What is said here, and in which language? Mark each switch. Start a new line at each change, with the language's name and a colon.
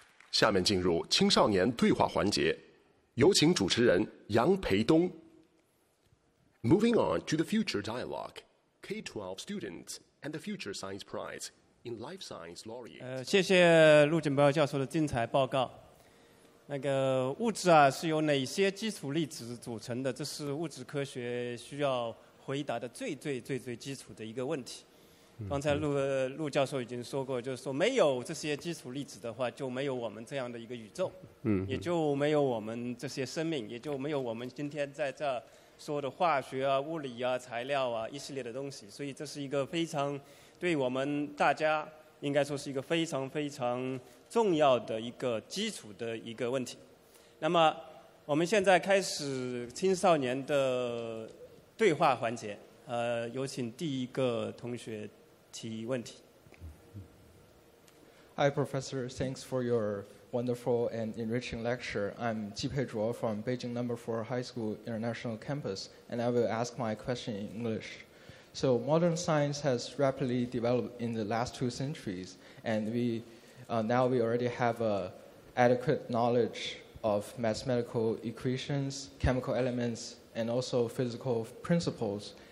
Chinese: 下面进入青少年对话环节，有请主持人杨培东。
English: Moving on to the future dialogue, K-12 students and the Future Science Prize in Life Science Laureate.
Chinese: 谢谢陆锦标教授的精彩报告。那个物质啊，是由哪些基础粒子组成的？这是物质科学需要回答的最最最最基础的一个问题。刚才陆教授已经说过，就是说没有这些基础粒子的话，就没有我们这样的一个宇宙，也就没有我们这些生命，也就没有我们今天在这说的化学啊、物理啊、材料啊一系列的东西。所以这是一个非常对我们大家应该说是一个非常非常重要的一个基础的一个问题。那么我们现在开始青少年的对话环节，有请第一个同学提问题。
English: Hi, Professor. Thanks for your wonderful and enriching lecture. I'm Ji Pei Zhuo from Beijing No. 4 High School International Campus, and I will ask my question in English. So modern science has rapidly developed in the last two centuries, and now we already have adequate knowledge of mathematical equations, chemical elements, and also physical principles.